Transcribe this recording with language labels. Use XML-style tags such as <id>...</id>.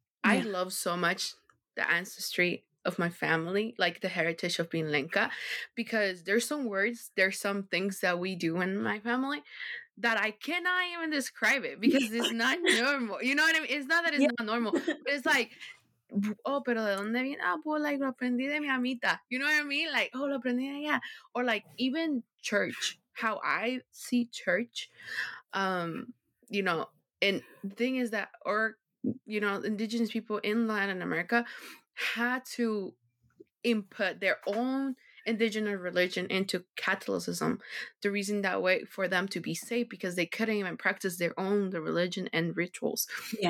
<en>I love so much the ancestry of my family, like the heritage of being Lenca, because there's some words, there's some things that we do in my family that I cannot even describe it, because it's not normal. You know what I mean? It's not that it's not normal, but it's like, oh,</en> <es>pero de donde viene? Ah, pues, like, lo aprendí de mi amita.</es> <en>You know what I mean? Like, oh,</en> <es>lo aprendí de ella.</es> <en>Or like, even church, how I see church, you know, and the thing is that, or, you know, indigenous people in Latin America had to input their own indigenous religion into Catholicism, the reason that way for them to be safe, because they couldn't even practice their own the religion and rituals. Yeah.</en>